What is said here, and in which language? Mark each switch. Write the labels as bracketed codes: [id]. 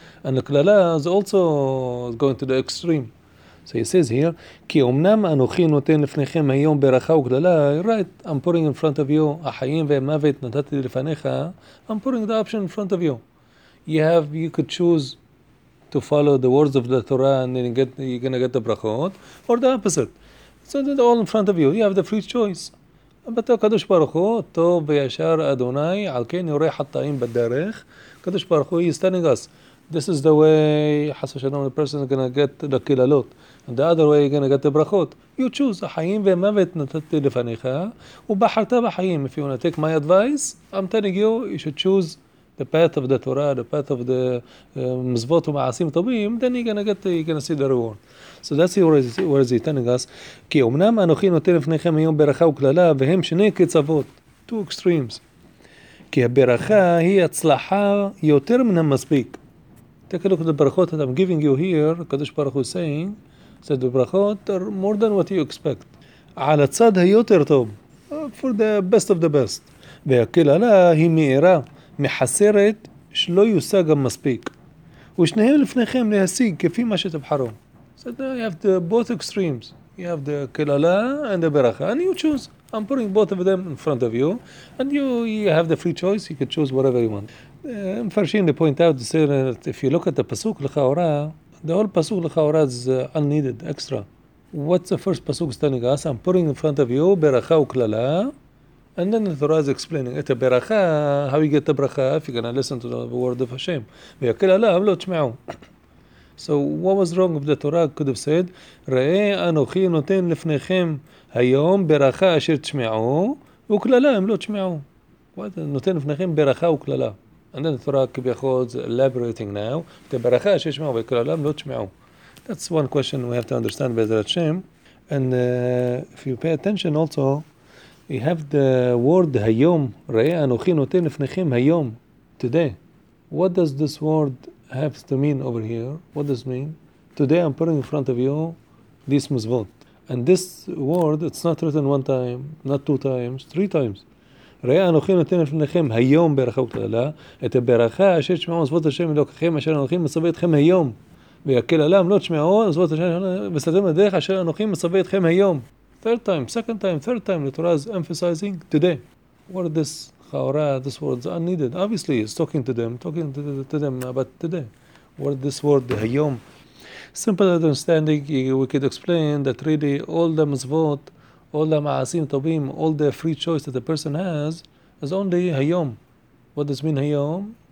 [en] And the קללה is also going to the extreme. So he says here, [he] כי אמנם אנוכי נותן לפניכם היום ברכה וקללה, [en] right, I'm pouring in front of you, [he] החיים והמוות נתתי לפניך, [en] I'm pouring the option in front of you. You could choose to follow the words of the Torah and then you're going to get the ברכות, or the opposite. So it's all in front of you, you have the free choice. But the קדוש ברוך הוא, [he] טוב וישר אדוני, על כן יורה חטאים בדרך, [en] קדוש ברוך הוא, he's telling us, this is the way, חס ושלום, the person is going to get the קללות. And the other way, you're going to get the ברכות. You choose, [he] החיים ומוות נתתי לפניך, ובחרת בחיים. [en] If you want to take my advice, I'm telling you, you should choose the path of the Torah, the path of the מזוות ומעשים טובים, then you're going to see the reward. So that's what he's telling us. [he] כי אמנם אנוכי נותן לפניכם היום ברכה וקללה, והם שני קצוות, [en] two extremes. [he] כי הברכה היא הצלחה יותר מן המספיק. [en] Take a look at the ברכות that I'm giving you here, הקדוש ברוך הוא saying, said the ברכות are more than what you expect. [he] על הצד היותר טוב, [en] for the best of the best. [he] והקללה היא מהירה, מחסרת, שלא יושג גם מספיק. ושניהם לפניכם להשיג כפי מה שתבחרו. [en] Said you have the both extremes. You have the קללה and the ברכה, and you choose. I'm putting both of them in front of you, and you have the free choice. You could choose whatever you want. I'm forcing the point out to say that if you look at the pasuk l'chaora, the whole pasuk l'chaora is unneeded, extra. What's the first pasuk telling us? I'm putting in front of you beracha uklala, and then the Torah is explaining it's a beracha. How you get the beracha if you're gonna listen to the word of Hashem? [he] V'yakelala avlo tshmeu. [en] So what was wrong if the Torah could have said, [he] ראה אנוכי נותן לפניכם היום ברכה אשר תשמעו וקללה הם לא תשמעו. What? נותן לפניכם ברכה וקללה. [en] And then the Torah כביכול is elaborating now, the ברכה אשר תשמעו וקללה הם לא תשמעו. That's one question we have to understand בעזרת השם. And if you pay attention also, we have the word היום, [he] ראה אנוכי נותן לפניכם היום, [en] today. What does this word have to mean over here? What does it mean? Today I'm putting in front of you this mitzvot. And this word, it's not written one time, not two times, three times. [he] ראה אנוכי נותן לפניכם היום ברכה וקללה, את הברכה אשר תשמעו מצוות השם אלוקיכם אשר אנוכי מצווה אתכם היום. והקללה אם לא תשמעו מצוות השם וסתתם לדרך אשר אנוכי מצווה אתכם היום. [en] Third time, second time, third time, the Torah is emphasizing today. What is this? This word is unneeded. Obviously, it's talking to them about today. What this word, Hayom? Simple understanding, we could explain that really all the mitzvot, all the ma'asim tovim, all the free choice that the person has, is only Hayom. What does mean Hayom?